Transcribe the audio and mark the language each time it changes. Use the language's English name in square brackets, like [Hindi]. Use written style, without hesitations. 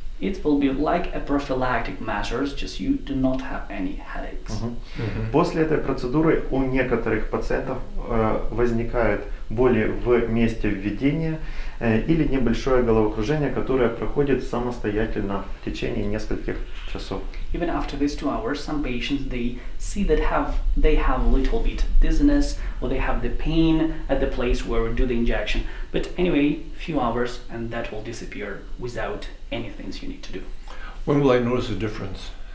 [English] It will be like a prophylactic measure, just you do not have any headaches. [Russian] После этой процедуры у некоторых пациентов возникают боли в месте введения или небольшое головокружение, которое проходит самостоятельно в течение нескольких часов. [English] Even after these 2 hours, some patients they see that they have a little bit dizziness or they have the pain at the place where we do the injection. But anyway, few hours and that will disappear without any things you need to do. When will I notice a difference?